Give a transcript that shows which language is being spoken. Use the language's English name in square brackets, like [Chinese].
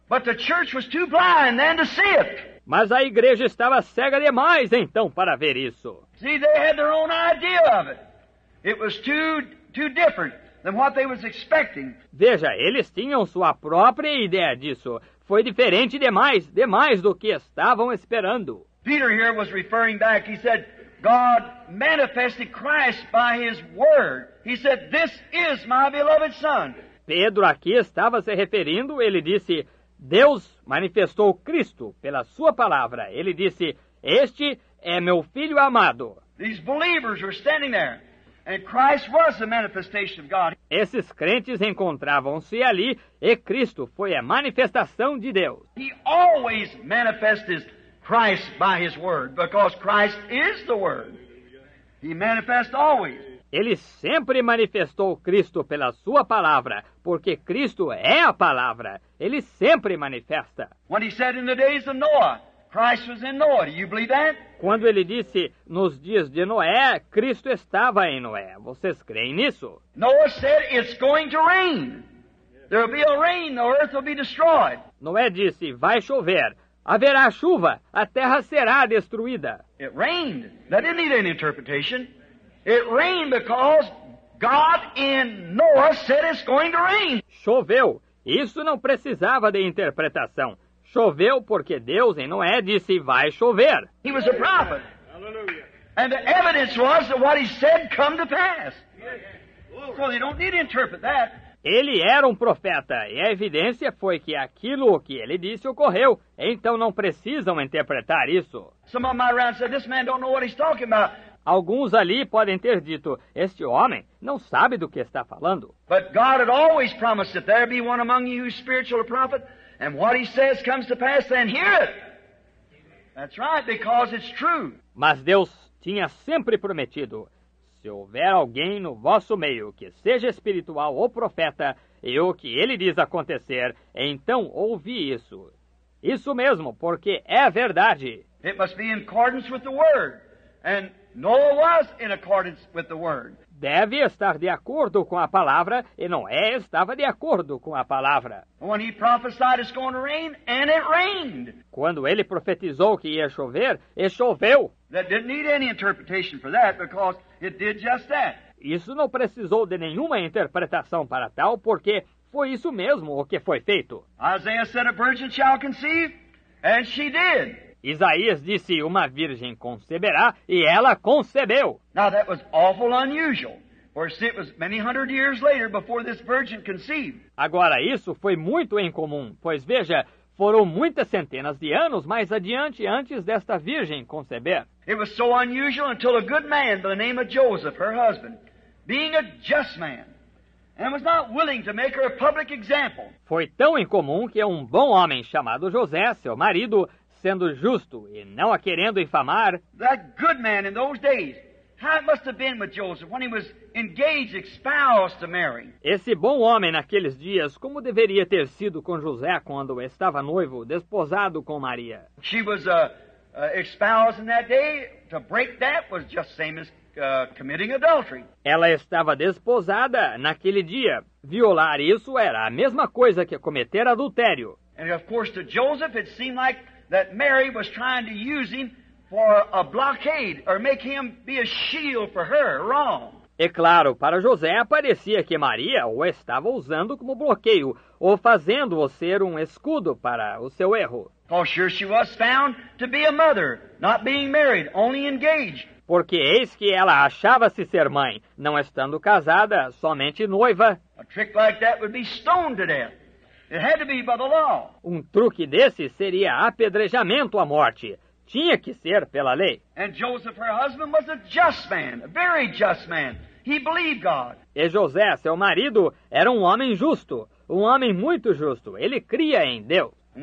[English] But the church was too blind then to see it. [Portuguese] Mas a igreja estava cega demais, então, para ver isso. [English] See, they had their own idea of it. It was too different than what they was expecting. [Portuguese] Veja, eles tinham sua própria ideia disso. Foi diferente demais do que estavam esperando. [English] Peter here was referring back. He said, God manifested Christ by His Word. He said, this is my beloved Son. [Portuguese] Pedro aqui estava se referindo, ele disse, Deus manifestou Cristo pela sua palavra. Ele disse, este é meu filho amado. [English] These believers were standing there. And Christ was the manifestation of God. [Portuguese] Esses crentes encontravam-se ali e Cristo foi a manifestação de Deus. [English] He always manifests Christ by His Word, because Christ is the Word. He manifests always. [Portuguese] Ele sempre manifestou Cristo pela sua palavra, porque Cristo é a palavra. Ele sempre manifesta. [English] When He said in the days of Noah, Christ was in Noah. Do you believe that? [Portuguese] Quando ele disse nos dias de Noé, Cristo estava em Noé. Vocês creem nisso? [English] Noah said it's going to rain. There will be a rain, the earth will be destroyed. [Portuguese] Noé disse, vai chover. Haverá chuva, a terra será destruída. [English] It rained. That didn't need any interpretation. It rained because God in Noah said it's going to rain. [Portuguese] Choveu. Isso não precisava de interpretação. Choveu porque Deus em Noé disse, vai chover. [English] He was a prophet. And the evidence was that what he said come to pass. So you don't need to interpret that. [Portuguese] Ele era um profeta, e a evidência foi que aquilo que ele disse ocorreu. Então não precisam interpretar isso. [English] Some of my friends said, this man don't know what he's talking about. [Portuguese] Alguns ali podem ter dito, este homem não sabe do que está falando. [English] But God had always promised that there be one among you who's spiritual, a prophet. And what he says comes to pass, then hear it. That's right, because it's true. [Portuguese] Mas Deus tinha sempre prometido, se houver alguém no vosso meio que seja espiritual ou profeta, e o que ele diz acontecer, então ouvi isso. Isso mesmo, porque é verdade. [English] It must be in accordance with the word. And Noah was in accordance with the word. [Portuguese] Deve estar de acordo com a palavra, e Noé estava de acordo com a palavra. [English] When he prophesied it's going to rain, and it rained. [Portuguese] Quando ele profetizou que ia chover, e choveu. [English] That didn't need any interpretation for that, because it did just that. [Portuguese] Isso não precisou de nenhuma interpretação para tal, porque foi isso mesmo o que foi feito. [English] Isaiah said a virgin shall conceive, and she did. [Portuguese] Isaías disse, uma virgem conceberá, e ela concebeu. [English] Now that was awful unusual, for it was many hundred years later before this virgin conceived. [Portuguese] Agora, isso foi muito incomum, pois veja, foram muitas centenas de anos mais adiante antes desta virgem conceber. [English] It was so unusual until a good man by the name of Joseph, her husband, being a just man, and was not willing to make her a public example. [Portuguese] Foi tão incomum que um bom homem chamado José, seu marido, sendo justo e não a querendo infamar. [English] That good man in those days, how it must have been with Joseph when he was engaged, espoused to Mary. [Portuguese] Esse bom homem naqueles dias, como deveria ter sido com José quando estava noivo, desposado com Maria? [English] She was espoused in that day. To break that was just same as committing adultery. [Portuguese] Ela estava desposada naquele dia. Violar isso era a mesma coisa que cometer adultério. [English] And of course to Joseph it seemed like that Mary was trying to use him for a blockade or make him be a shield for her wrong. [Portuguese] E claro, para José parecia que Maria o estava usando como bloqueio ou fazendo-o ser um escudo para o seu erro. [English] Oh, sure she was found to be a mother, not being married, only engaged. [Portuguese] Porque eis que ela achava-se ser mãe, não estando casada, somente noiva. [English] A trick like that would be stoned to death. It had to be by the law. [Portuguese] Um truque desse seria apedrejamento à morte. Tinha que ser pela lei. [English] And Joseph, her husband, was a just man, a very just man. He believed God. [Portuguese] E José, seu marido, era um homem justo, um homem muito justo. Ele cria em Deus.